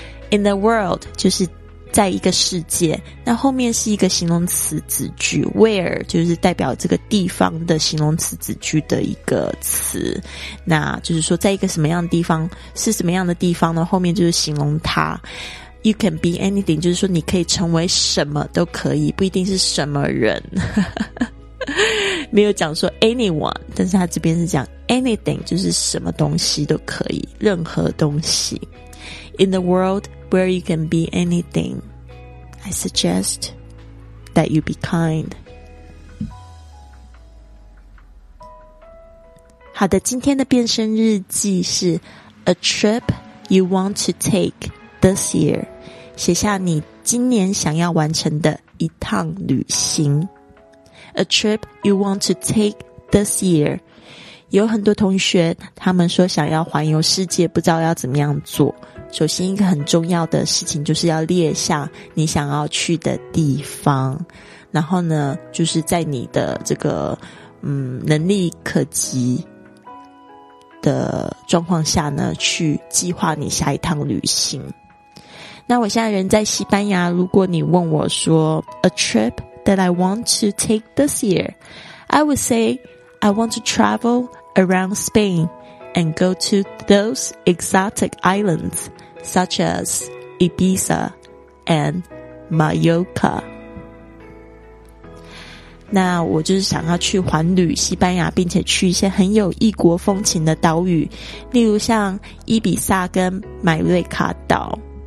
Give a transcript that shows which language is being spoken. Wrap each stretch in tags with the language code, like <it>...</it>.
<en>In a world</en> <zh>就是在一个世界，那后面是一个形容词子句， where 就是代表这个地方的形容词子句的一个词，那就是说在一个什么样的地方，是什么样的地方呢，后面就是形容它。</zh> <en>You can be anything,</en> <zh>就是说你可以成为什么都可以，不一定是什么人。没有讲说 anyone, 但是他这边是讲 anything, 就是什么东西都可以，任何东西。</zh> <en>In the world where you can be anything, I suggest that you be kind.</en> <zh>好的，今天的变身日记是</zh> <en>A trip you want to take this year.</en> <zh>写下你今年想要完成的一趟旅行。</zh> <en>A trip you want to take this year.</en> <zh>有很多同学他们说想要环游世界，不知道要怎么样做。首先一个很重要的事情就是要列下你想要去的地方，然后呢就是在你的这个能力可及的状况下呢，去计划你下一趟旅行。那我现在人在西班牙，如果你问我说</zh> <en>A trip that I want to take this year, I would say I want to travel around Spain and go to those exotic islands such as Ibiza and Mallorca.</en> <zh>那我就是想要去环旅西班牙，并且去一些很有异国风情的岛屿，例如像伊比萨跟马略卡岛。</zh>